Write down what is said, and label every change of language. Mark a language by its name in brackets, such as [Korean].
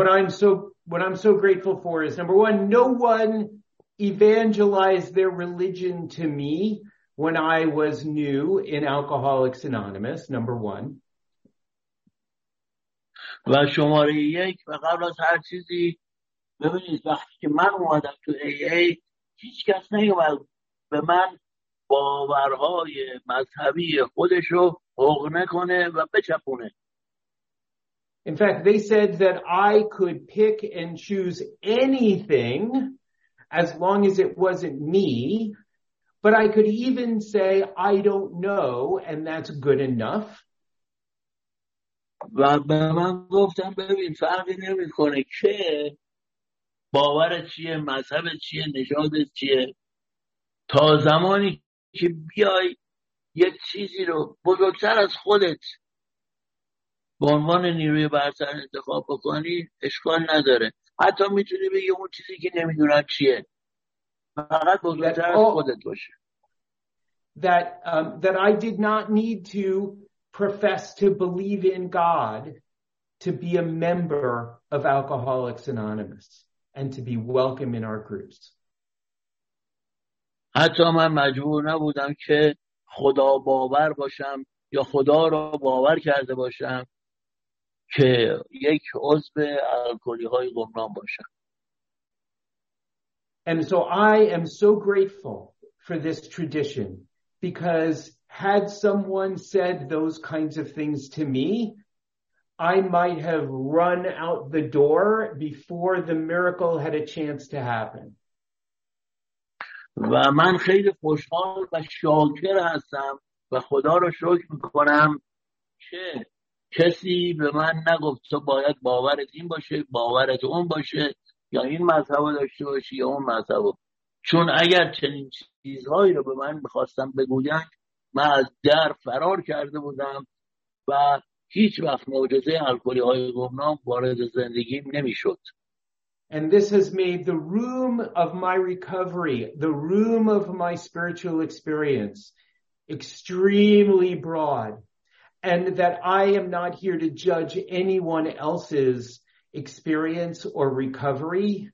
[English] What I'm so grateful for is, number one, no one evangelized their religion to me when I was new in Alcoholics Anonymous, number one. [Persian] و شماره یک و قبل از هر چیزی ببینید وقتی که من اومدم تو AA هیچ کس نیومد به من باورهای مذهبی خودشو حقنه کنه و بچپونه. [English] In fact, they said that I could pick and choose anything as long as it wasn't me, but I could even say, I don't know, and that's good enough. [Persian] و به من گفتم ببین فرقی نمی کنه که باورت چیه، مذهبت چیه، نژادت چیه، تا زمانی که بیای یک چیزی رو بزرگتر از خودت به عنوان نیروی برتر انتخاب بکنی اشکال نداره. حتی میتونی بگی اون چیزی که نمیدونم چیه. فقط بزرگتر از خودت باشه. [English] That I did not need to profess to believe in God to be a member of Alcoholics Anonymous and to be welcome in our groups. [Persian] حتی من مجبور نبودم که خدا باور باشم یا خدا را باور کرده باشم که یک عضو الکلی‌های گمنام باشم. [English] And so I am so grateful for this tradition because had someone said those kinds of things to me, I might have run out the door before the miracle had a chance to happen. [Persian] و من خیلی خوشحال و شاکر هستم و خدا را شکر می‌کنم که کسی به من نگفت تو باید باورت این باشه، باورت اون باشه، یا این مذهب داشته باشی یا اون مذهب. چون اگر چنین چیزهایی رو به من می‌خواستم بگوین، من از در فرار کرده بودم و هیچ وقت معجزه الکلی‌های گمنام وارد زندگیم نمی‌شد. [English] And this has made the room of my recovery, the room of my spiritual experience, extremely broad. And that I am not here to judge anyone else's experience or recovery.